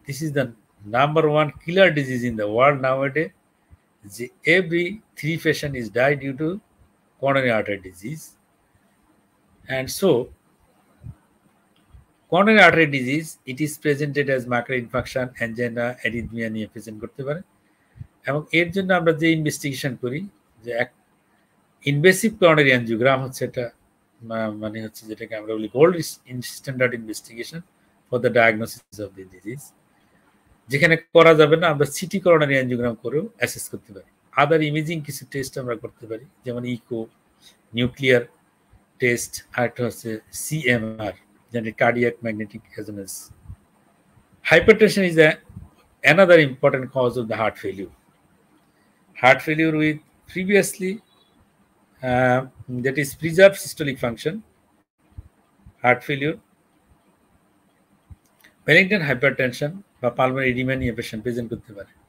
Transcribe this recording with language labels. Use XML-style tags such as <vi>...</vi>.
<en>This is the number one killer disease in the world nowadays. Every 3 patients is died due to coronary artery disease. And so, coronary artery disease, it is presented as macro infarction, angina, arrhythmia, and present</en> <bn>korte pare. এবং এর জন্য আমরা যে investigation করি যে invasive কোরোনারি angiogram হচ্ছে এটা মানে হচ্ছে যেটাকে আমরা বলি</bn> <en>gold standard investigation for the diagnosis of the disease,</en> <bn>যেখানে করা যাবে না আমরা সিটি কোরোনারি অ্যানজিওগ্রাম করেও অ্যাসেস করতে পারি। আদার ইমেজিং কিছু টেস্ট আমরা করতে পারি, যেমন ইকো, নিউক্লিয়ার টেস্ট, আরেকটা হচ্ছে সিএমআর, যেটা cardiac magnetic resonance.</bn> <en>Hypertension is another important cause of the heart failure. Heart failure with previously, that is preserved systolic function, heart failure, malignant hypertension, pulmonary edema, patient present with fever.</en>